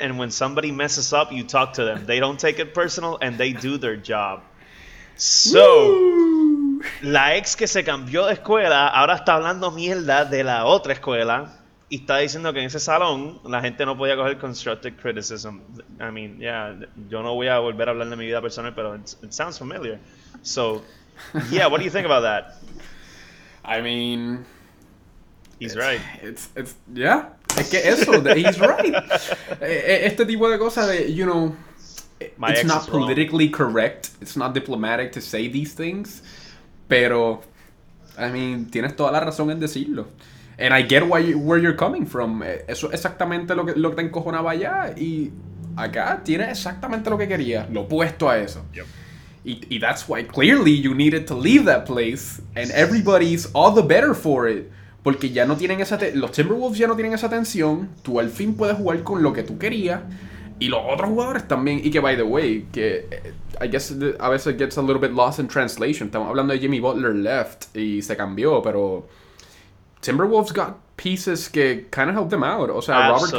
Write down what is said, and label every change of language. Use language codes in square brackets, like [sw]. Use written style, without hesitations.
[en] And when somebody messes up, you talk to them. They don't take it personal and they do their job. [es] So, la ex que se cambió de escuela ahora está hablando mierda de la otra escuela y está diciendo que en ese salón la gente no podía coger constructive criticism. [en] I mean, yeah, [es] yo no voy a volver a hablar de mi vida personal, pero [en] it sounds familiar. So, yeah, what do you think about that? I mean, he's right. It's yeah, [es] es que eso, [en] he's right. [es] Este tipo de cosas de, [en] you know, it's not politically correct. It's not diplomatic to say these things. [es] Pero, [en] I mean, [es] tienes toda la razón en decirlo. [en] And I get where you're coming from. [es] Eso es exactamente lo que te encojonaba allá. Y acá tienes exactamente lo que quería. Lo opuesto a eso. [en] Yep. Y that's why clearly you needed to leave that place. And everybody's all the better for it. [es] Porque ya no tienen esa los Timberwolves ya no tienen esa tensión. Tú al fin puedes jugar con lo que tú querías. Y los otros jugadores también. [en] Y que, by the way, que I guess [es] a veces [en] gets a little bit lost in translation. [es] Estamos hablando de Jimmy Butler left y se cambió, pero Timberwolves got pieces que [en] kind of helped them out. [es] O sea, absolutely.